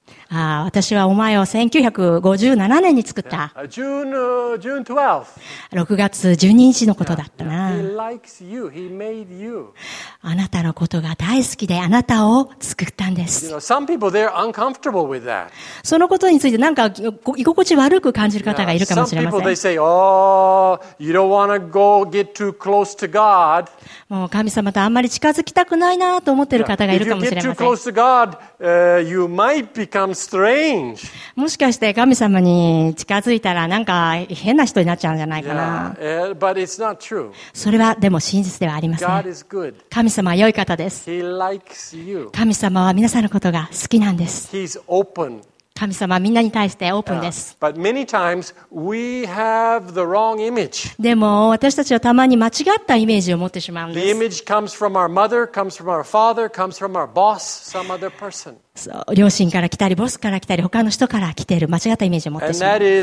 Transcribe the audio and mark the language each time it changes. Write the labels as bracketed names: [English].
[Japanese] ああ、私はお前を1957年に作った。 6 月12日のことだったな。 [English] He likes you. He made you. [Japanese] あなたのことが大好きで、あなたを作ったんです。 [English] You know, some people, they're uncomfortable with that. [Japanese] そのことについて、なんか居心地悪く感じる方がいるかもしれません。 [English] Some people, they say, oh, you don't want to go get too close to God. [Japanese] もう神様とあんまり近づきたくないなと思っている方がいるかもしれません。 [English] If you get too close to God, you might beStrange. [Japanese] もしかして神様に近づいたらなんか変な人になっちゃうんじゃないかな。 [English] Yeah, but it's not true. [Japanese] それはでも真実ではありません。 [English] God is good. [Japanese] 神様は良い方です。 [English] He likes you. [Japanese] 神様は皆さんのことが好きなんです。 [English] He's open. [Japanese] 神様はみんなに対してオープンです。 [English] Yeah, but many times we have the wrong image. [Japanese] でも私たちはたまに間違ったイメージを持ってしまうんです。 [English] The image comes from our mother, comes from our father, comes from our boss, some other person. [Japanese] 両親から来たり、ボスから来たり、他の人から来ている間違ったイメージを持ってしまう。